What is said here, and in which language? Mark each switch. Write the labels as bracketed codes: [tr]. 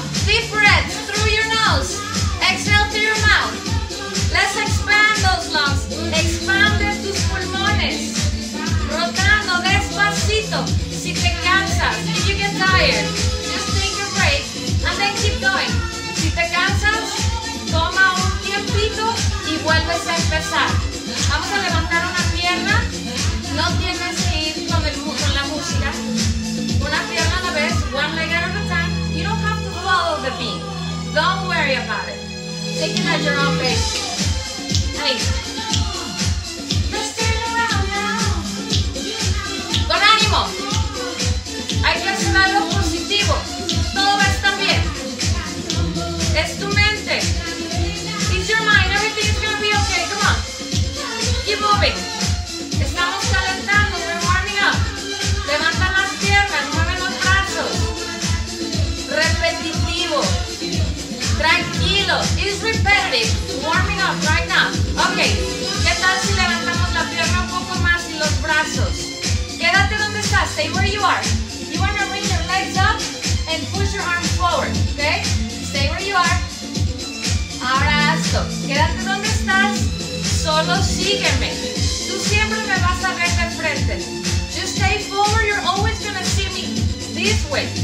[en] Deep breath through your nose. Exhale through your mouth. Let's expand those lungs. [es] Expande tus pulmones. Rotando despacito. Si te cansas, [en] if you get tired, just take a break and then keep going. [es] Si te cansas, toma un tiempito y vuelves a empezar. Vamos a levantar una pierna. No tienes que ir con la música. Una pierna a la vez, [en] one leg at a time. You don't have to follow the beat. Don't worry about it. Take it at your own pace. Hey. Let's turn around now. [es] Con ánimo. Hay que hacer algo positivo. Todo va a estar bien. Es tu mente. [en] It's your mind. Everything is going to be okay. Come on. Keep moving. [es] Estamos calentando, [en] we're warming up. [es] Levanta las piernas, mueve los brazos. Repetitivo. Tranquilo. [en] It's repetitive. Warming up right now. [es] Ok, ¿qué tal si levantamos la pierna un poco más y los brazos? Quédate donde estás, [en] stay where you are. You want to bring your legs up and push your arms forward, ok? Stay where you are. [es] Ahora hazlo. Quédate donde estás, solo sígueme. Siempre me vas a ver de frente. [en] Just stay forward, you're always gonna see me this way.